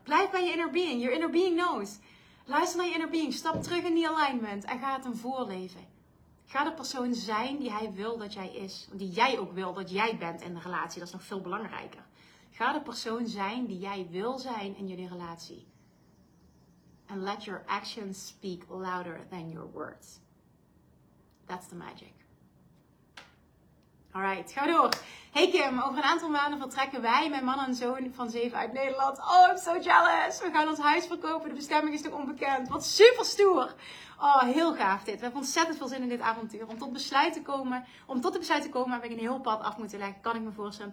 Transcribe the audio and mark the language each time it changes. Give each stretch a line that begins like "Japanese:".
Dutch: Blijf bij je inner being.
English: Your inner being knows.
Dutch: Luister naar je inner being. Stap terug in die alignment. En ga het hem voorleven. Ga de persoon zijn die hij wil dat jij is. Die jij ook wil dat jij bent in de relatie. Dat is nog veel belangrijker. Ga de persoon zijn die jij wil zijn in jullie relatie.
English: And let your actions speak louder than your words. That's the magic. Alright,
Dutch: gaan we door. Hey Kim, over een aantal maanden vertrekken wij, mijn man en zoon van 7 uit Nederland.
English: Oh, I'm so jealous.
Dutch: We gaan ons huis verkopen. De bestemming is nog onbekend. Wat super stoer. Oh, heel gaaf dit. We hebben ontzettend veel zin in dit avontuur. Om tot het besluit te komen, heb ik een heel pad af moeten leggen. Kan ik me voorstellen.